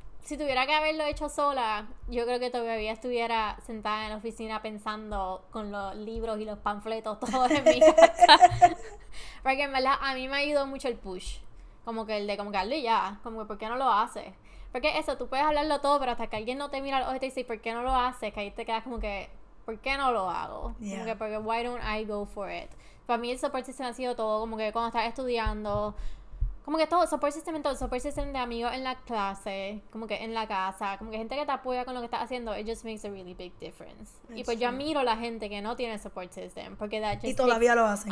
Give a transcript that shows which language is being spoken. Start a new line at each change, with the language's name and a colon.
Spanish: si tuviera que haberlo hecho sola, yo creo que todavía estuviera sentada en la oficina pensando con los libros y los panfletos todos en mi casa. Porque en verdad a mí me ayudó mucho el push. Como que el de como que hazlo ya, como que ¿por qué no lo haces? Porque eso, tú puedes hablarlo todo, pero hasta que alguien no te mira los ojos y te dice ¿por qué no lo haces? Que ahí te quedas como que ¿por qué no lo hago?
English: Como que porque why don't I go for it?
Spanish: Para mí el support system ha sido todo, como que cuando estaba estudiando, como que todo, support system de amigos en la clase, como que en la casa, como que gente que te apoya con lo que estás haciendo,
English: it just makes a really big difference.
Spanish: Y pues
English: That's
Spanish: yo
English: true.
Spanish: admiro la gente que no tiene support system, porque that Y
English: just takes,
Spanish: todavía lo hacen.